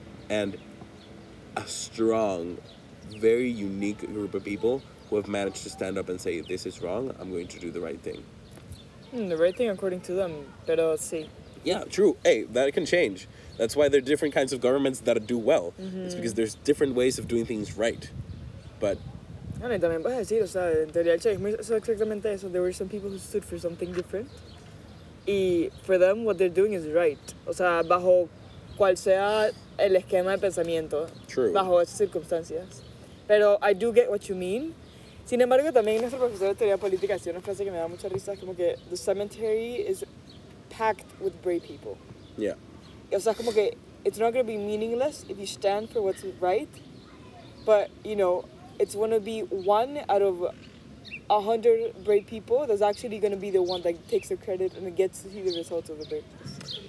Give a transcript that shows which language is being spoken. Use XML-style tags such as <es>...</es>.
<en>And a strong, very unique group of people who have managed to stand up and say, this is wrong, I'm going to do the right thing. The right thing according to them, but let's see. Yeah, true. Hey, that can change. That's why there are different kinds of governments that do well. Mm-hmm. It's because there's different ways of doing things right. But...</en> <es>Bueno, y también puedes decir, o sea, en teoría el chavismo es exactamente eso.</es> <en>There were some people who stood for something different. Y for them, what they're doing is right.</en> <es>O sea, bajo cual sea el esquema de pensamiento.</es> <en>True.</en> <es>Bajo esas circunstancias. Pero</es> <en>I do get what you mean.</en> <es>Sin embargo, también nuestro profesor de teoría política hacía una frase que me da mucha risa. Es como que</es> <en>the cemetery is packed with brave people. Yeah.</en> <es>Y, o sea, como que</es> <en>it's not going to be meaningless if you stand for what's right. But, you know... It's going to be one out of 100 brave people that's actually going to be the one that takes the credit and gets to see the results of the braveness.</en>